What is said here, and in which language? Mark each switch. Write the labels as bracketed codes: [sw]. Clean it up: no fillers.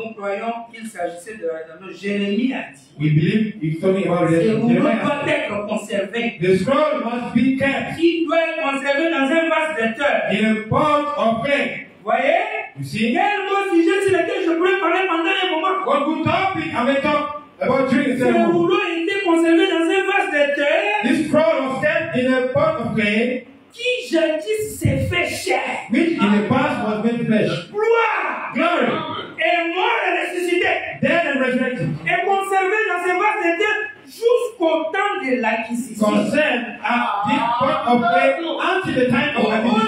[fr] Nous croyons qu'il s'agissait de la rédemption. Jérémie a dit. [en] We believe he was talking about redemption. [fr] Le rouleau doit être conservé. [en] The scroll must be kept. [fr] Il doit être conservé dans un vase de terre. [en] In a pot of clay. [fr] Voyez. [en] You see. [fr] Quel beau sujet sur lequel je pourrais parler pendant un moment. [en] What good topic are we talking about during the [fr] sermon? Le rouleau était conservé dans un vase de terre. [en] This scroll was kept. In a pot of clay, [fr] qui je dis s'est fait chair, [en] which in the past was made flesh, [fr] gloire, [en] glory, [fr] et mort et ressuscité, [en] dead and resurrected, [fr] et conservé dans ses vases de terre jusqu'au temps de l'acquisition. [en] Concerned at this pot of clay until the time of acquisition.